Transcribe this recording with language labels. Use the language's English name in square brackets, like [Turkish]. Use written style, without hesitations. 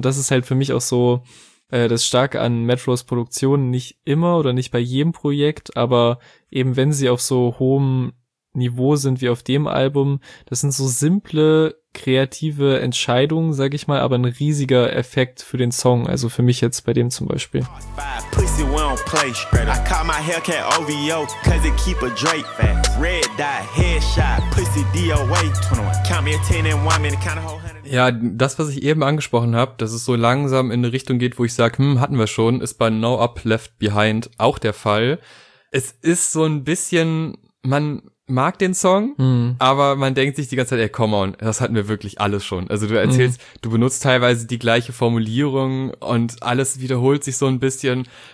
[German] Und das ist halt für mich auch so das Starke an Metros Produktionen. Nicht immer oder nicht bei jedem Projekt, aber eben wenn sie auf so hohem Niveau sind wie auf dem Album. Das sind so simple, kreative Entscheidungen, sag ich mal, aber ein riesiger Effekt für den Song. Also für mich jetzt bei dem zum Beispiel. [English] Pussy, we don't play, shredder. I call my Hellcat OVO, cause it keep a Drake fat. Red dot, headshot, pussy DOA, 21. Count me a 10 and 1 minute, count a whole 100. [German] Ja, das, was ich eben angesprochen habe, dass es so langsam in eine Richtung geht, wo ich sage, hatten wir schon, ist bei No Up Left Behind auch der Fall. Es ist so ein bisschen, man mag den Song, aber man denkt sich die ganze Zeit, ey, [English] come on, [German] das hatten wir wirklich alles schon. Also du erzählst, du benutzt teilweise die gleiche Formulierung und alles wiederholt sich so ein bisschen.